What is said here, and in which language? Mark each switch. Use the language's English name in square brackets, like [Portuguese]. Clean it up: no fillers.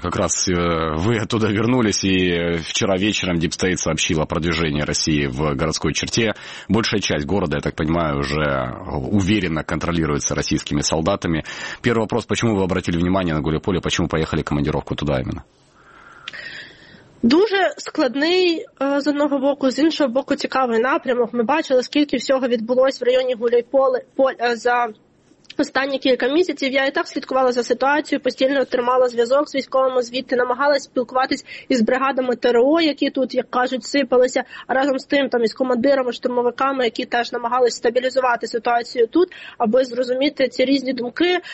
[Russian] Как раз вы оттуда вернулись, и вчера вечером Deep State сообщила о продвижении России в городской черте. Большая часть города, я так понимаю, уже уверенно контролируется российскими солдатами. Первый вопрос, почему вы обратили внимание на Гуляйполе, почему поехали в командировку туда именно? [Ukrainian] Дуже складний з одного боку, з іншого боку цікавий напрямок. Ми бачили, скільки всього відбулось в районі Гуляйполя за останні кілька місяців. Я і так слідкувала за ситуацією, постійно тримала зв'язок з військовими звідти, намагалась спілкуватись із бригадами ТРО, які тут, як кажуть, сипалися, а разом з тим там із командирами, штурмовиками, які теж намагались стабілізувати ситуацію тут, аби зрозуміти ці різні думки.